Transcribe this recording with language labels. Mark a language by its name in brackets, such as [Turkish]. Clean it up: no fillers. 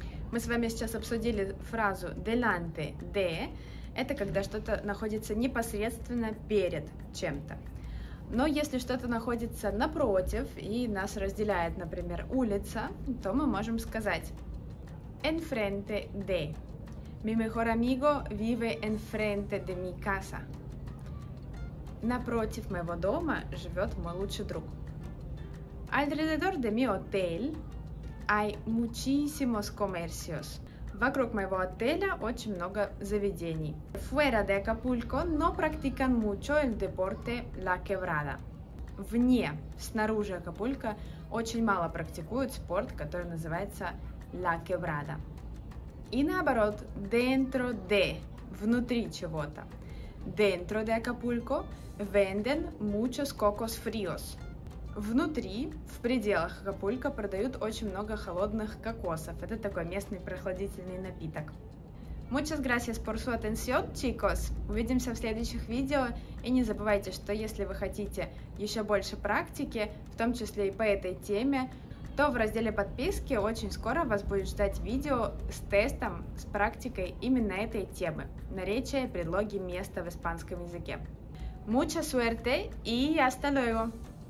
[Russian] Мы с вами сейчас обсудили фразу [Spanish] «delante de», [Russian] это когда что-то находится непосредственно перед чем-то. Но если что-то находится напротив и нас разделяет, например, улица, то мы можем сказать [Spanish] «enfrente de». «Mi mejor amigo vive enfrente de mi casa». [Russian] «Напротив моего дома живет мой лучший друг». [Spanish] «Alrededor de mi hotel hay muchísimos comercios». [Russian] «Вокруг моего отеля очень много заведений». [Spanish] «Fuera de Acapulco no practican mucho el deporte la quebrada». [Russian] «Вне, снаружи Акапулько, очень мало практикуют спорт, который называется la quebrada». И наоборот, [Spanish] «dentro de», [Russian] внутри чего-то. [Spanish] Dentro de Acapulco venden muchos cocos fríos. [Russian] Внутри, в пределах Акапулько, продают очень много холодных кокосов. Это такой местный прохладительный напиток. [Spanish] Muchas gracias por su atención, chicos. [Russian] Увидимся в следующих видео. И не забывайте, что если вы хотите еще больше практики, в том числе и по этой теме, то в разделе подписки очень скоро вас будет ждать видео с тестом, с практикой именно этой темы. Наречия, предлоги, место в испанском языке. [Spanish] Mucha suerte y hasta luego!